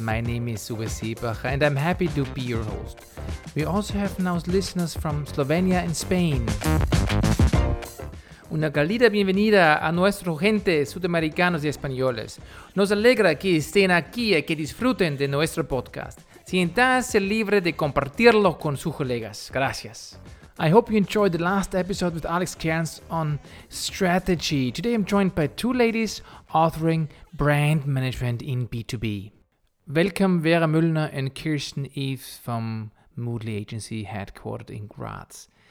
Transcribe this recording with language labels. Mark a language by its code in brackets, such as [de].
[en] My name is Uwe Seebacher and I'm happy to be your host. We also have now listeners from Slovenia and Spain. [es] Una calida bienvenida a nuestro gente sudamericanos y españoles. Nos alegra que estén aquí y que disfruten de nuestro podcast. Siéntase libre de compartirlo con sus colegas. Gracias. [en] I hope you enjoyed the last episode with Alex Cairns on strategy. Today I'm joined by two ladies authoring brand management in B2B. Welcome Vera Müllner and Kirsten Eves from Moodly Agency headquartered in Graz.